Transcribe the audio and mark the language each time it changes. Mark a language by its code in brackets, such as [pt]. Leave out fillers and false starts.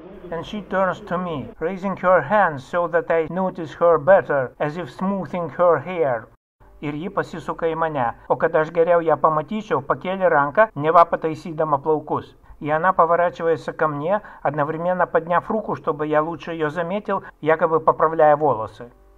[en] And she turns to me, raising her hands so that I notice her better, as if smoothing her hair. [lt] Ir ji pasisuka į mane, o kad aš geriau ją pamatyčiau, pakėlė ranką, neva pataisydama plaukus. [ru] И она поворачивается ко мне, одновременно подняв руку, чтобы я лучше ее заметил, якобы поправляя волосы.